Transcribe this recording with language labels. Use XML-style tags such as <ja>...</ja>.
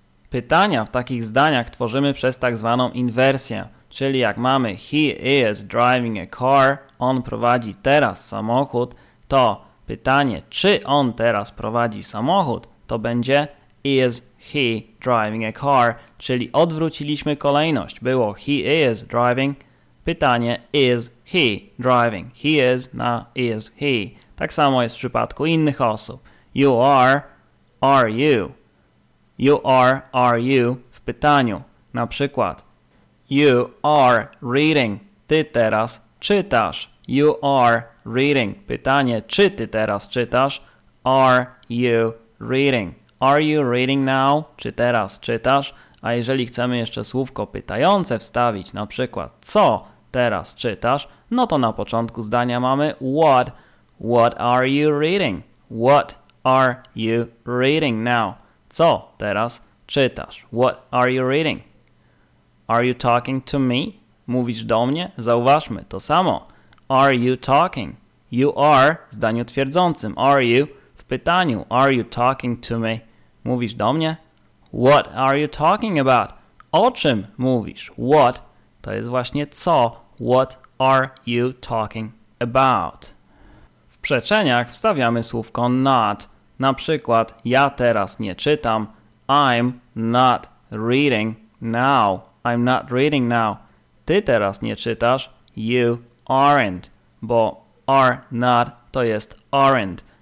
<pl>Pytania w takich zdaniach tworzymy przez tak zwaną inwersję. Czyli jak mamy</pl> <en>he is driving a car,</en> <pl>on prowadzi teraz samochód, to pytanie czy on teraz prowadzi samochód, to będzie</pl> <en>is he driving a car,</en> <pl>czyli odwróciliśmy kolejność.</pl> <en>Było he is driving, pytanie is he driving, he is na is he.</en> <pl>Tak samo jest w przypadku innych osób.</pl> <en>You are you? You are you</en> <pl>w pytaniu. Na przykład</pl> <en>you are reading.</en> <pl>Ty teraz czytasz.</pl> <en>You are reading.</en> <pl>Pytanie, czy ty teraz czytasz?</pl> <en>Are you reading? Are you reading now?</en> <pl>Czy teraz czytasz? A jeżeli chcemy jeszcze słówko pytające wstawić, na przykład co teraz czytasz, no to na początku zdania mamy what.</pl> <en>What are you reading? What are you reading now?</en> <pl>Co teraz czytasz?</pl> <en>What are you reading? Are you talking to me?</en> <pl>Mówisz do mnie? Zauważmy to samo.</pl> <en>Are you talking?</en> <pl>You are w zdaniu twierdzącym.</pl> <en>Are you</en> <pl>w pytaniu.</pl> <en>Are you talking to me?</en> <pl>Mówisz do mnie?</pl> <en>What are you talking about?</en> <pl>O czym mówisz?</pl> <en>What</en> <pl>to jest właśnie co.</pl> <en>What are you talking about?</en> <pl>W przeczeniach wstawiamy słówko not. Na przykład ja teraz nie czytam.</pl> <en>I'm not reading now. I'm not reading now.</en> <pl>Ty teraz nie czytasz. You aren't. Bo are not to jest aren't.</pl>